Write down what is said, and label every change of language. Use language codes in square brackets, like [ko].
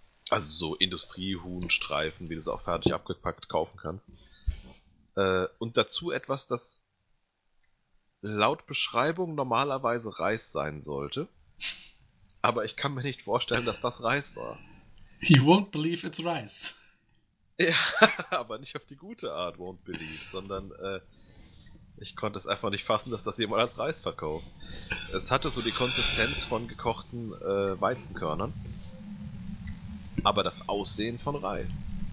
[de] Also so Industriehuhnstreifen, wie du es auch fertig abgepackt kaufen kannst. Und dazu etwas, das laut Beschreibung normalerweise Reis sein sollte. Aber ich kann mir nicht vorstellen, dass das Reis war. [en] You won't believe it's rice. [de] Ja, aber nicht auf die gute Art [en] won't believe, [de] sondern ich konnte es einfach nicht fassen, dass das jemand als Reis verkauft. Es hatte so die Konsistenz von gekochten Weizenkörnern. Aber das Aussehen von Reis.